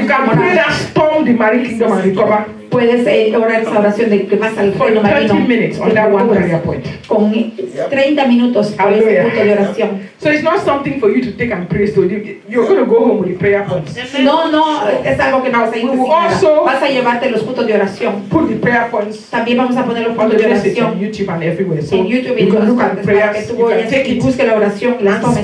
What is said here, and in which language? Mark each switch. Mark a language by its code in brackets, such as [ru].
[en] You can pray that storm the marine kingdom and recover. [es] Puedes orar esa oración de que vas al reino marino. [en] 30 minutes on that one prayer point. [es] Con 30 minutos a ese punto de oración. [en] So it's not something for you to take and pray. So you're going to go home with the prayer points. [es] No, no, es algo que no vas a ir. [en] We will also [es] vas a llevarte los puntos de oración. [en] Put the prayer points. [es] También vamos a poner los puntos de oración. [en] On YouTube and everywhere. So [es] en YouTube y en todas partes para que tú busques la oración, la tomes.